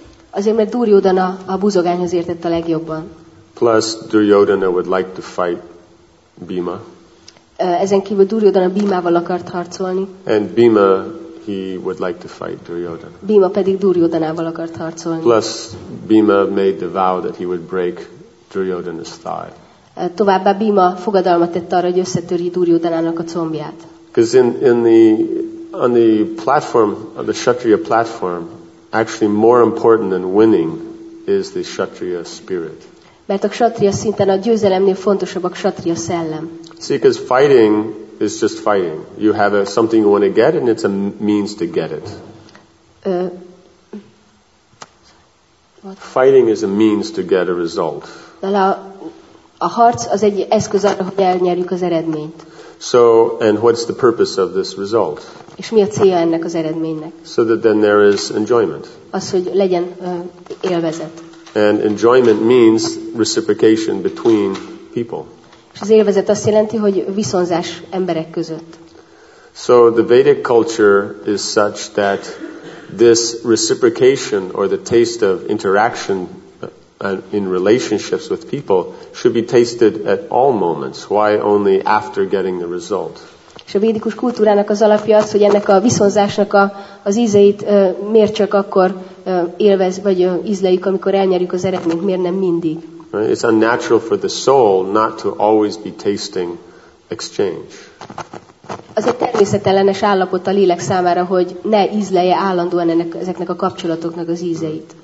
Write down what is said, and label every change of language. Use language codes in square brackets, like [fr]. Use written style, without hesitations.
[hu] Azért, mert Duryodhana a buzogányhoz értett a legjobban. [en] Plus Duryodhana would like to fight Bhima. [hu] Ezen kívül Duryodhana Bhimával akart harcolni. [en] And Bhima, he would like to fight Duryodhana. [hu] Bhima pedig Duryodhanával akart harcolni. [en] Plus Bhima made the vow that he would break Duryodhana's thigh. [hu] Továbbá Bhima fogadalmat tett arra, hogy összetöri Duryodhanának a combját. [en] Because on the platform, the Kshatriya platform, actually more important than winning is the kshatriya spirit. [hu] Mert a kshatriya szinten a győzelemnél fontosabb a kshatriya szellem. [en] See, because fighting is just fighting. You have something you want to get, and it's a means to get it. Fighting is a means to get a result. [hu] A harc az egy eszköz arra, hogy elnyerjük az eredményt. [en] So, and what's the purpose of this result? [hu] És mi a célja ennek az eredménynek? [en] So that then there is enjoyment. [hu] Az, hogy legyen élvezet. [en] And enjoyment means reciprocation between people. [hu] És az élvezet azt jelenti, hogy viszonzás emberek között. [en] So the Vedic culture is such that this reciprocation or the taste of interaction in relationships with people should be tasted at all moments. Why only after getting the result? [hu] És a védikus kultúrának az alapja az, hogy ennek a viszonzásnak az ízeit miért csak akkor élvez, vagy ízleljük, amikor elnyerjük az eredményt, miért nem mindig. [en] It's unnatural for the soul not to always be tasting exchange. [hu] Az egy természetellenes állapot a lélek számára, hogy ne ízlelje állandóan ezeknek a kapcsolatoknak az ízeit.